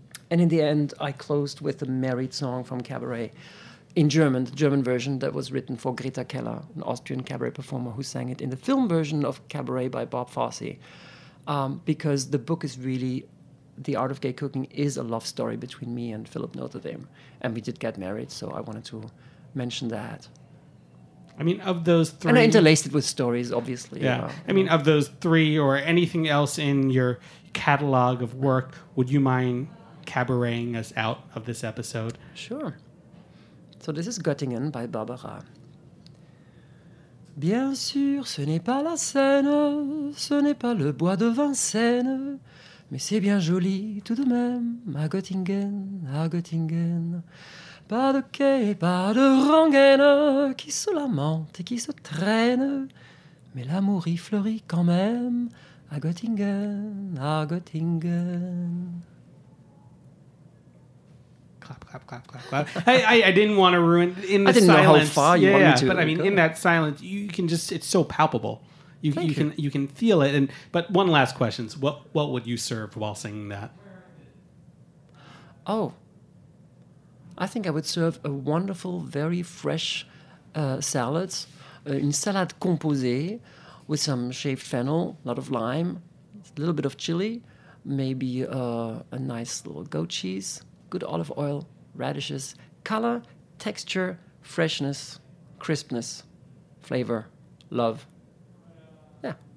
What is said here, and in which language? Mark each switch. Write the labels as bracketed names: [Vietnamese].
[English] And in the end, I closed with a married song from Cabaret in German, the German version that was written for Greta Keller, an Austrian cabaret performer who sang it in the film version of Cabaret by Bob Fosse, because the book is really, The Art of Gay Cooking is a love story between me and Philip Notre-Dame, and we did get married, so I wanted to mention that. I mean, of those three... And I interlaced it with stories, obviously. Yeah. I mean, of those three or anything else in your catalog of work, would you mind cabareting us out of this episode? Sure. So this is Göttingen by Barbara. [French] Bien sûr, ce n'est pas la Seine, ce n'est pas le bois de Vincennes, mais c'est bien joli tout de même, à Göttingen, à Göttingen. Pas de quai, pas de rengaine qui se lamente et qui se traîne. Mais l'amour y fleurit quand même à Göttingen, à Göttingen. Clap, clap, clap, clap, clap. [English] I didn't want to ruin in the silence. I didn't know how far you wanted me to. But I mean, in that silence, you can just, it's so palpable. You can feel it. But one last question. What would you serve while singing that? Oh, I think I would serve a wonderful, very fresh salad, [French] une salade composée [English] with some shaved fennel, a lot of lime, a little bit of chili, maybe a nice little goat cheese, good olive oil, radishes, color, texture, freshness, crispness, flavor, love. Yeah.